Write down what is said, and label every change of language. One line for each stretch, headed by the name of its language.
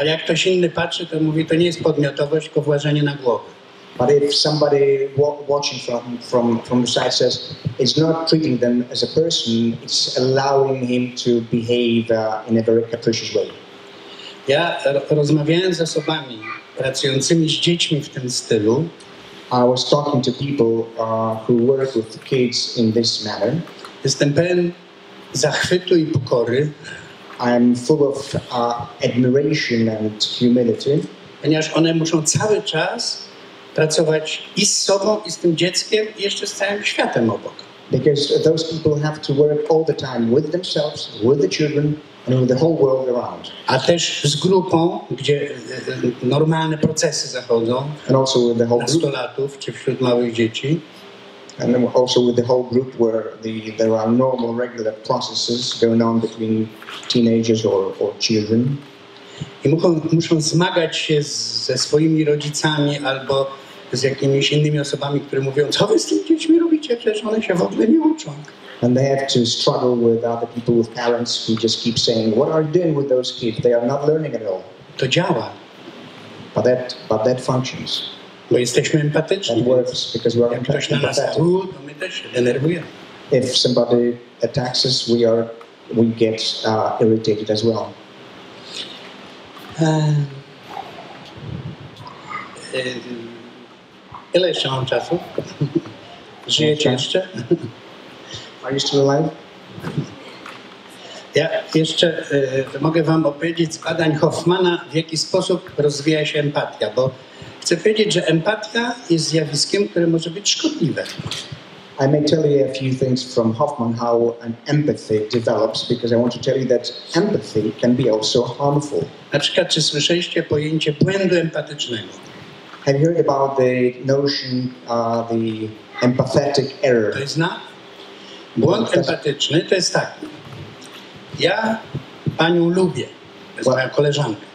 Polish: Ale jak ktoś inny patrzy, to mówi, to nie jest podmiotowość, tylko włażenie na głowę.
English: But if somebody watching from the side says, it's not treating them as a person, it's allowing him to behave in a very capricious way.
Polish: Ja rozmawiałem z osobami pracującymi z dziećmi w tym stylu.
English: I was talking to people who work with the kids in this manner.
Polish: Jestem pełen zachwytu i pokory.
English: I am full of admiration and humility.
Polish: Ponieważ one muszą cały czas pracować i z sobą, i z tym dzieckiem, i jeszcze z całym światem obok.
English: Because those people have to work all the time with themselves, with the children, and with the whole world around.
Polish: A też z grupą, gdzie normalne procesy zachodzą.
English: And also with the whole group.
Polish: Nastolatów, czy wśród małych dzieci.
English: And also with the whole group where there are normal, regular processes going on between teenagers or children.
Polish: i muszą zmagać się ze swoimi rodzicami albo z jakimiś innymi osobami, które mówią, co wy z tymi dziećmi robicie, przecież one się w ogóle nie uczą.
English: And they have to struggle with other people, with parents who just keep saying, what are you doing with those kids? They are not learning at all.
Polish: To działa.
English: But that functions.
Polish: Bo jesteśmy empatyczni.
English: That works because we are empathetic.
Polish: Jak ktoś na nas tu, to my też denerwujemy.
English: If somebody attacks us, we get irritated as well.
Polish: Ile jeszcze mam czasu? Żyjecie jeszcze?
English: Are you still alive?
Polish: Ja jeszcze mogę wam opowiedzieć z badań Hoffmana, w jaki sposób rozwija się empatia, bo chcę powiedzieć, że empatia jest zjawiskiem, które może być szkodliwe.
English: I may tell you a few things from Hoffman, how an empathy develops, because I want to tell you that empathy can be also harmful.
Polish: Na przykład, czy słyszeliście pojęcie błędu empatycznego?
English: Have you heard about the notion, the empathetic error?
Polish: To jest not. Błąd empatyczny to jest taki. Ja panią lubię, to jest moja koleżanka.